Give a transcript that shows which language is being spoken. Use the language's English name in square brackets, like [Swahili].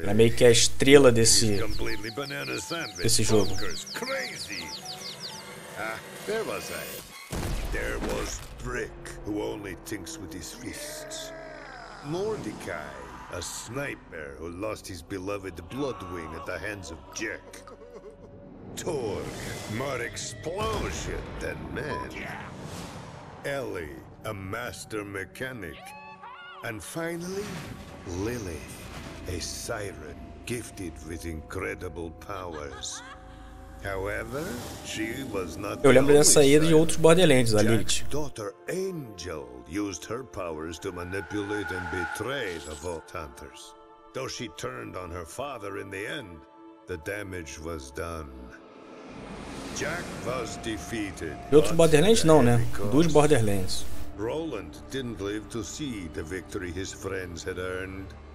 [Portuguese] Ela é meio que a estrela desse jogo. [English] Crazy. Ah, there was I. There was Brick, who only thinks with his fists. Mordecai. A sniper who lost his beloved Bloodwing at the hands of Jack. Torg, more explosion than man. Ellie, a master mechanic. And finally, Lilith, a siren gifted with incredible powers. However, she was not. [Portuguese] Eu lembro dessa aí de outros Borderlands, a Lilith. [English] Jack's daughter Angel used her powers to manipulate and betray the Vault Hunters. Though she turned on her father in the end, the damage was done. Jack was defeated. [Portuguese] Outros Borderlands não, né? Dos Borderlands. [English] Roland didn't live to see the victory his friends had earned.